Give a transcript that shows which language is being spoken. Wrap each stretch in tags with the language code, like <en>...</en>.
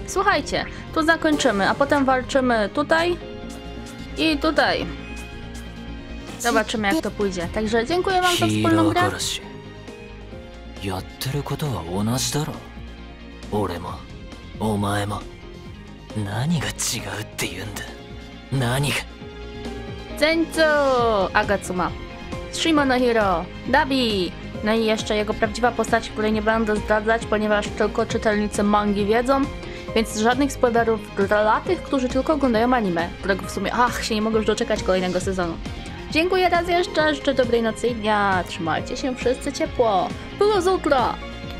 <pl>Słuchajcie, tu zakończymy, a potem walczymy tutaj i tutaj. Zobaczymy, jak to pójdzie. Także dziękuję wam za wspólną grę.</pl> <ja>やってることは同じだろ。俺も、お前も。何が違うって言うんだ。何が。全長、アガツマ、シモノヒロ、ダビー。</ja> <pl>No i jeszcze jego prawdziwa postać, której nie będę zdradzać, ponieważ tylko czytelnicy mangi wiedzą. Więc żadnych spoilerów dla tych, którzy tylko oglądają anime, którego w sumie, ach, się nie mogę już doczekać kolejnego sezonu. Dziękuję raz jeszcze, życzę dobrej nocy i dnia, trzymajcie się wszyscy ciepło, do zutra!</pl>